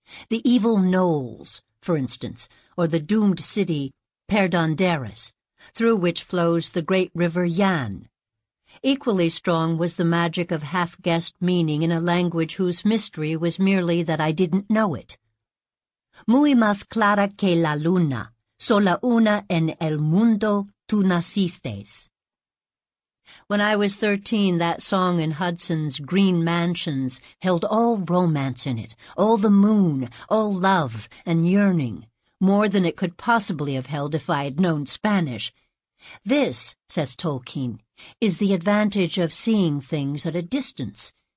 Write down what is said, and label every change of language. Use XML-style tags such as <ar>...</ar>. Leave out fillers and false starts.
<en>The evil Knolls, for instance, or the doomed city Perdandaris, through which flows the great river Yann. Equally strong was the magic of half-guessed meaning in a language whose mystery was merely that I didn't know it.</en> <es>Muy más clara que la luna. Sola una en el mundo tú nacistes.</es> <en>When I was 13, that song in Hudson's Green Mansions held all romance in it, all the moon, all love and yearning, more than it could possibly have held if I had known Spanish. This, says Tolkien, is the advantage of seeing things at a distance.</en>